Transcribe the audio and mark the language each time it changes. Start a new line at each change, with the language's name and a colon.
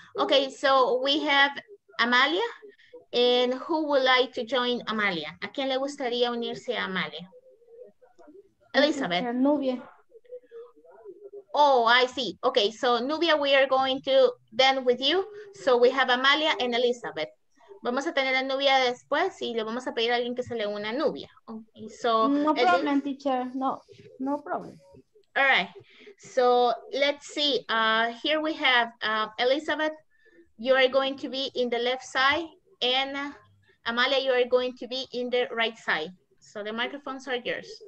English: Okay, so we have Amalia, and who would like to join Amalia?
Spanish: ¿A quién le gustaría unirse a Amalia? Elizabeth.
English: Nubia. Oh, I see. Okay, so Nubia, we are going to then with you. So we have Amalia and Elizabeth.
Spanish: Vamos a tener a Nubia después y le vamos a pedir a alguien que se le una a Nubia.
English: Okay, so no problem, teacher. No problem. All right. So let's see, here we have Elizabeth, you are going to be in the left side, and Amalia, you are going to be in the right side. So the microphones are yours.